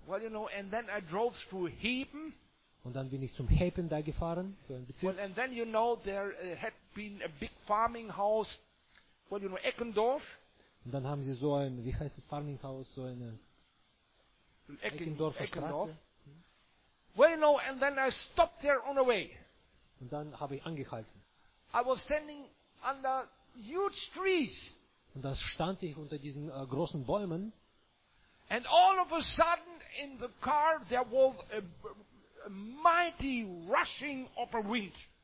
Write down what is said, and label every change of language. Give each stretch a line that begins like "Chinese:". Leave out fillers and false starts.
English: Well, you know, and then I drove through Heben.
German: Und dann bin ich zum Heben da gefahren. So ein Bezirk.
English: Well, and then you know there had been a big farming house. Well, you know, Eckendorf.
German: Und dann haben sie so ein, wie heißt das
English: Farming House,
German: so eine Eckendorfer Straße.
English: Well, you know, and then I stopped there on the way.
German: Und dann habe ich angehalten.
English: I was standing under huge trees.
German: Und da stand ich unter diesen großen Bäumen.
English: And all of a sudden in the car there was a mighty rushing of a wind.